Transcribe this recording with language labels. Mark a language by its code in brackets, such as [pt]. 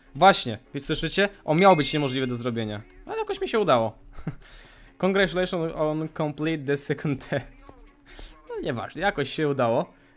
[pl] Właśnie. Słyszycie? On miał być niemożliwy do zrobienia. Ale jakoś mi się udało. [en] Congratulations on complete the second test. [pl] No nieważne, jakoś się udało.